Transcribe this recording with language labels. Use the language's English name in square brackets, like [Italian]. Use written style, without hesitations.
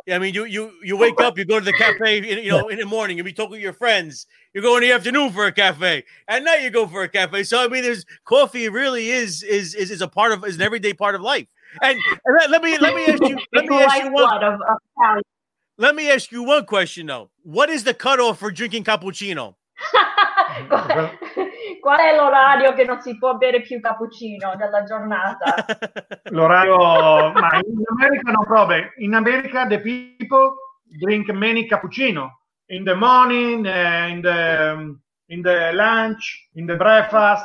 [English] I mean, you wake up, you go to the cafe, in the morning, you'll be talking to your friends. You go in the afternoon for a cafe. At night, you go for a cafe. So, I mean, there's coffee really is a part of, is an everyday part of life. And let me ask you one question, though. What is the cutoff for drinking cappuccino? [Italian] Qual è l'orario che non si può bere più cappuccino della giornata? L'orario, ma in America [English] no problem. In America the people drink many cappuccino in the morning, in the lunch, in the breakfast.